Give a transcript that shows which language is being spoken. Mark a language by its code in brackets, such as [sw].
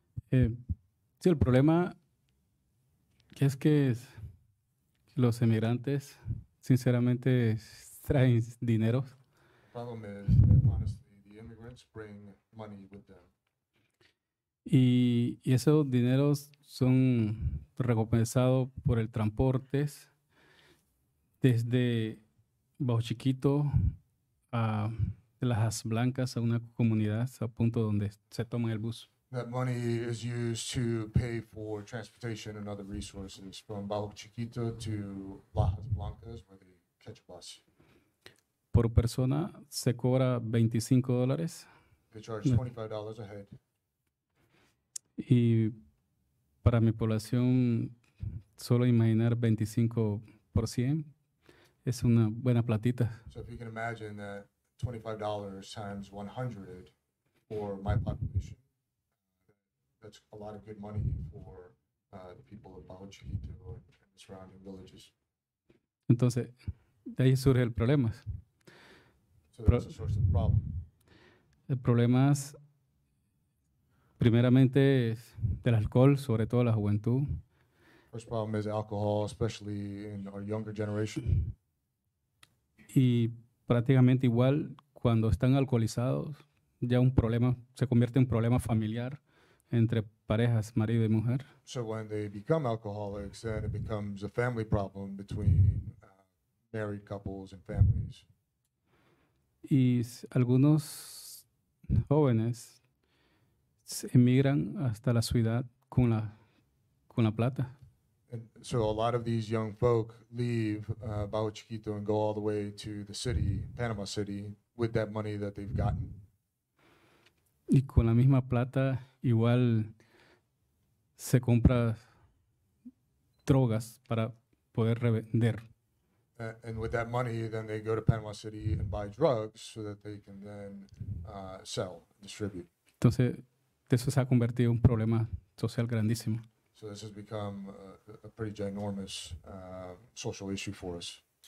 [es] Sí, el problema que es que los emigrantes sinceramente traen dinero. [en] The problem is that honestly the immigrants bring money with them. [es] Y esos dineros son recompensados por el transporte desde Bajo Chiquito a Las Blancas, a una comunidad, a punto donde se toma el bus. [en] That money is used to pay for transportation and other resources from Bajo Chiquito to Las Blancas, where they catch a bus. [es] Por persona se cobra $25. [en] They charge $25 a head. [es] Y para mi población, solo imaginar 25% es una buena platita. [en] So if you can imagine that $25 times 100 for my population, that's a lot of good money for the people of Bajo Chiquito and the surrounding villages. [es] Entonces, de ahí surge el problema. [en] So that's the source of the problem. [es] El problema es... Primeramente, del alcohol, sobre todo la juventud. [en] First problem is alcohol, especially in our younger generation. [es] Y prácticamente igual, cuando están alcoholizados, ya un problema, se convierte en un problema familiar entre parejas, marido y mujer. [en] So when they become alcoholics, then it becomes a family problem between married couples and families. [es] Y algunos jóvenes... emigran hasta la ciudad con la plata. [en] And so a lot of these young folk leave Bajo Chiquito and go all the way to the city, Panama City, with that money that they've gotten. [es] Y con la misma plata igual se compra drogas para poder revender. [en] And with that money, then they go to Panama City and buy drugs so that they can then sell, distribute. [es] Entonces, eso se ha convertido en un problema social grandísimo. [en] So this has become a pretty ginormous social issue for us.